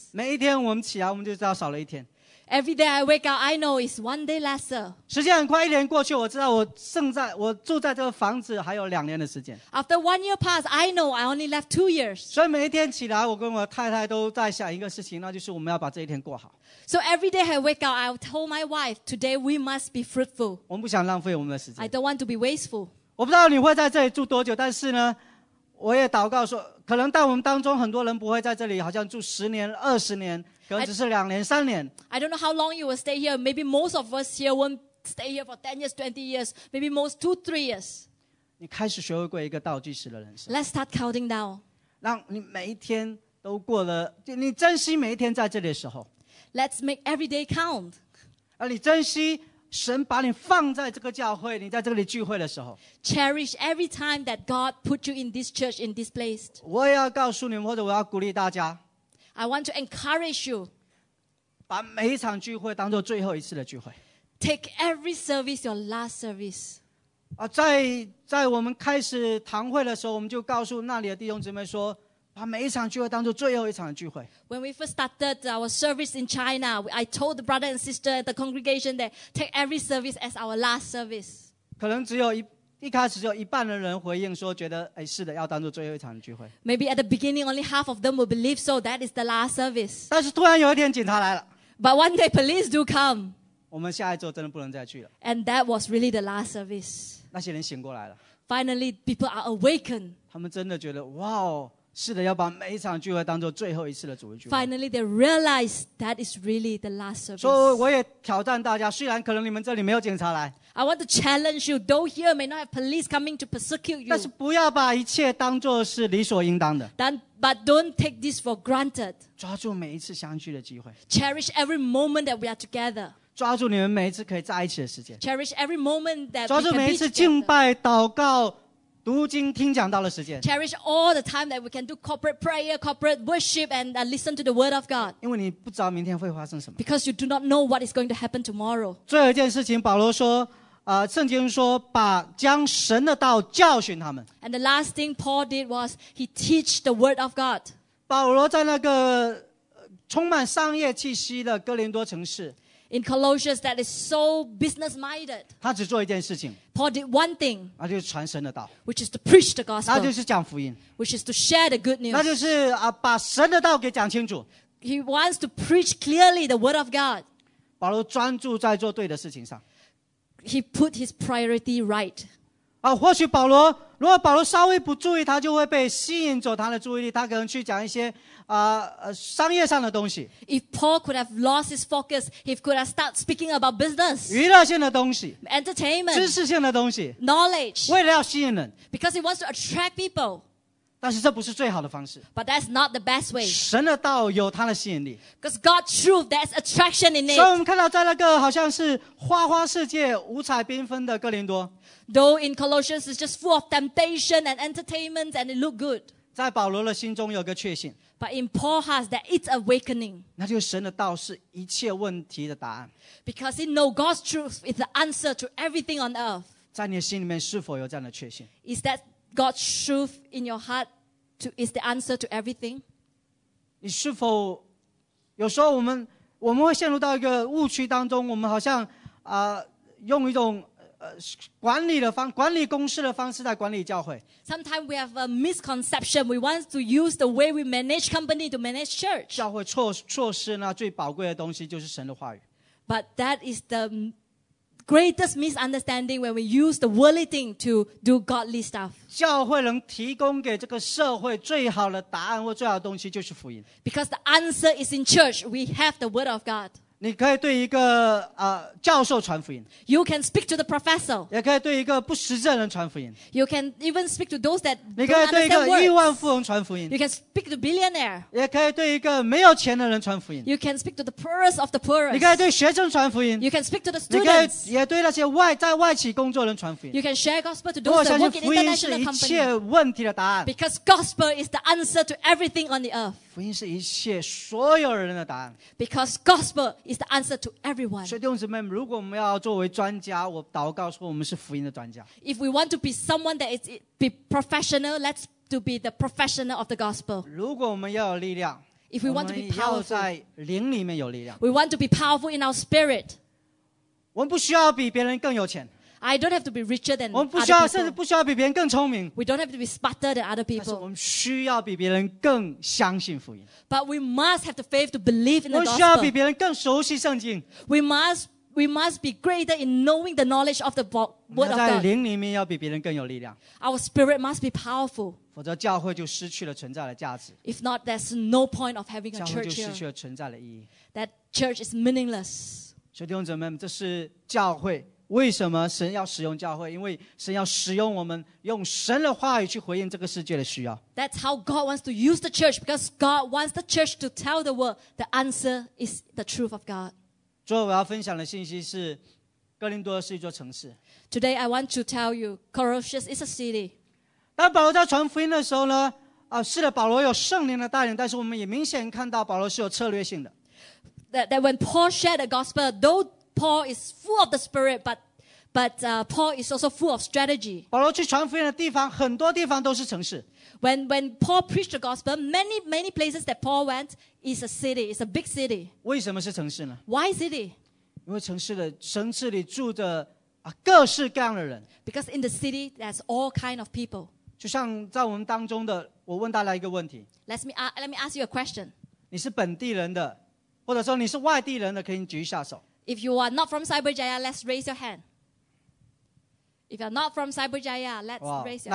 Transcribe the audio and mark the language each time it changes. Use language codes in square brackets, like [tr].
[zh] 每一天我们起来，我们就知道少了一天。 [en] Every day I wake up, I know it's one day lesser. [zh] 时间很快，一年过去，我知道我住在这个房子还有两年的时间。 [en] After 1 year passed, I know I only left 2 years. [zh] 所以每一天起来，我跟我太太都在想一个事情，那就是我们要把这一天过好。 [en] So every day I wake up, I told my wife, today we must be fruitful. [zh] 我们不想浪费我们的时间。 [en] I don't want to be wasteful. [zh] 我不知道你会在这里住多久，但是呢，我也祷告说，可能在我们当中很多人不会在这里，好像住10年、20年。只是两年三年 [en] I don't know how long you will stay here. Maybe most of us here won't stay here for 10 years, 20 years. Maybe most 2-3 years. [zh] 你开始学会过一个倒计时的人生 [en] Let's start counting down. [zh] 让你每一天都过了你珍惜每一天在这里的时候 [en] Let's make every day count. [zh] 让你珍惜神把你放在这个教会你在这里聚会的时候 [en] Cherish every time that God put you in this church, in this place. [zh] 我也要告诉你们或者我要鼓励大家 [en] I want to encourage you. [zh] 把每一场聚会当作最后一次的聚会。 [en] Take every service your last service. [zh] 在我们开始堂会的时候，我们就告诉那里的弟兄姊妹说，把每一场聚会当作最后一场聚会。 [en] When we first started our service in China, I told the brother and sister at the congregation that take every service as our last service. [zh] 可能只有一开始只有一半的人回应说觉得哎是的要当作最后一场聚会 [en] Maybe at the beginning only half of them will believe so that is the last service [zh] 但是突然有一天警察来了 [en] But one day police do come [zh] 我们下一周真的不能再去了。 [en] And that was really the last service. [zh] 那些人醒过来了。 [en] Finally, people are awakened. [zh] 他们真的觉得，哇哦，是的，要把每一场聚会当做最后一次的主日聚会。 [en] Finally, they realize that is really the last service. [zh] 所以我也挑战大家，虽然可能你们这里没有警察来。 [en] I want to challenge you, though here may not have police coming to persecute you. [zh] 但是不要把一切当做是理所应当的。 [en] But don't take this for granted. [zh] 抓住每一次相聚的机会。 [en] Cherish every moment that we are together. [zh] 抓住你们每一次可以在一起的时间。 [en] Cherish every moment that we can be together. [zh] 抓住每一次敬拜、祷告、读经、听讲到的时间。 [en] Cherish all the time that we can do corporate prayer, corporate worship, and listen to the word of God. [zh] 因为你不知道明天会发生什么。 [en] Because you do not know what is going to happen tomorrow. [zh] 最后一件事情，保罗说，圣经说，把将神的道教训他们。 [en] And the last thing Paul did was he teach the word of God. [zh] 保罗在那个充满商业气息的哥林多城市。 [en] In Colossians, that is so business minded. [zh] 他只做一件事情。 [en] Paul did one thing. [zh] 那就是传神的道。 [en] Which is to preach the gospel. [zh] 那就是讲福音。 [en] Which is to share the good news. [zh] 那就是把神的道给讲清楚。 [en] He wants to preach clearly the word of God. [zh] 保罗专注在做对的事情上。 [en] He put his priority right. [zh] 或许保罗，如果保罗稍微不注意，他就会被吸引走他的注意力，他可能去讲一些。商业上的东西。 [en] If Paul could have lost his focus, he could have started speaking about business. [zh] 娱乐性的东西。 [en] Entertainment. [zh] 知识性的东西。 [en] Knowledge. [zh] 为了要吸引人。 [en] Because he wants to attract people. [zh] 但是这不是最好的方式。 [en] But that's not the best way. [zh] 神的道有它的吸引力。 [en] Because God's truth, there's attraction in it. [zh] 所以我们看到在那个好像是花花世界、五彩缤纷的哥林多。 [en] Though in Colossians, it's just full of temptation and entertainment and it looked good. [zh] 在保罗的心中有个确信。 [en] But in Paul's heart, that it's awakening. [zh] 那就是神的道是一切问题的答案。 [en] Because he knows God's truth is the answer to everything on earth. [zh] 在你的心里面是否有这样的确信？ [en] Is that God's truth in your heart to, is the answer to everything? [zh] 你是否有时候我们会陷入到一个误区当中，我们好像用一种管理公司的方式在管理教会。 [en] Sometimes we have a misconception. We want to use the way we manage company to manage church. [zh] 教会错失那最宝贵的东西就是神的话语。 [en] But that is the greatest misunderstanding when we use the worldly thing to do godly stuff. [zh] 教会能提供给这个社会最好的答案或最好的东西就是福音。 [en] Because the answer is in church. We have the word of God. [zh] 你可以对一个教授传福音。 [en] You can speak to the professor. [zh] 也可以对一个不识字的人传福音。 [en] You can even speak to those that don't understand words. [zh] 你可以对一个亿万富翁传福音。 [en] You can speak to billionaire. [zh] 也可以对一个没有钱的人传福音。 [en] You can speak to the poorest of the poorest. [zh] 你可以对学生传福音。 [en] You can speak to the students. [zh] 你可以也对那些在外企工作人传福音。 [en] You can share gospel to those that work in international company. [zh] 我相信福音是一切问题的答案。 [en] Because gospel is the answer to everything on the earth. [zh] 福音是一切所有人的答案。 [en] Because gospel is the answer to everyone. [zh] 所以弟兄姊妹，如果我们要作为专家，我祷告说我们是福音的专家。 [en] If we want to be someone that is be professional, let's to be the professional of the gospel. [zh] 如果我们要有力量， [en] If we want to be powerful, [zh] 我们要在灵里面有力量。 [en] We want to be powerful in our spirit. [zh] 我们不需要比别人更有钱。 [en] I don't have to be richer than [zh] 我们不需要 [en] other people. [zh] 甚至不需要比别人更聪明。 [en] We don't have to be smarter than other people. [zh] 但是我们需要比别人更相信福音。 [en] But we must have the faith to believe in the gospel. [zh] 我们需要比别人更熟悉圣经。 [en] We must be greater in knowing the knowledge of the word of God. [zh] 在灵里面要比别人更有力量。 [en] Our spirit must be powerful. [zh] 否则教会就失去了存在的价值。 [en] If not, there's no point of having a church here. [zh] 教会就失去了存在的意义。 [en] That church is meaningless. [zh] 所以弟兄姊妹们，这是教会。为什么神要使用教会？因为神要使用我们，用神的话语去回应这个世界的需要。 [en] That's how God wants to use the church, because God wants the church to tell the world the answer is the truth of God. [zh] 最后我要分享的信息是，哥林多是一座城市。 [en] Today I want to tell you, Colossians is a city. [zh] 当保罗在传福音的时候呢，是的，保罗有圣灵的带领，但是我们也明显看到保罗是有策略性的。 [en] That when Paul shared the gospel, though. Paul is full of the spirit, but Paul is also full of strategy. [zh] 保罗去传福音的地方，很多地方都是城市。 [en] When Paul preached the gospel, many places that Paul went is a city, is a big city. [zh] 为什么是城市呢？ [en] Why city? [zh] 因为城市里住着各式各样的人。 [en] Because in the city, there's all kind of people. [zh] 就像在我们当中的，我问大家一个问题。 [en] Let me ask you a question. [zh] 你是本地人的，或者说你是外地人的，可以举一下手。 [en] If you are not from Cyberjaya, let's raise your hand. If you're not from Cyberjaya, let's raise your